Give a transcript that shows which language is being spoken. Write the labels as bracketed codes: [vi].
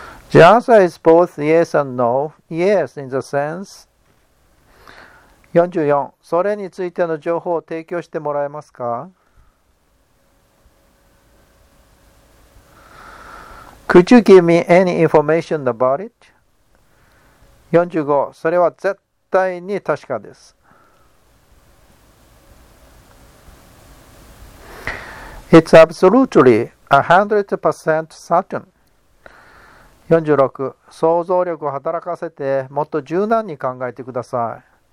[en] The answer is both yes and no. Yes, in the sense. 44. [ja] それについての情報を提供してもらえますか? [en] Could you give me any information about it? 45. [ja] それは絶対に確かです。 [en] It's absolutely 100% certain. 46. [ja] 想像力を働かせてもっと柔軟に考えてください。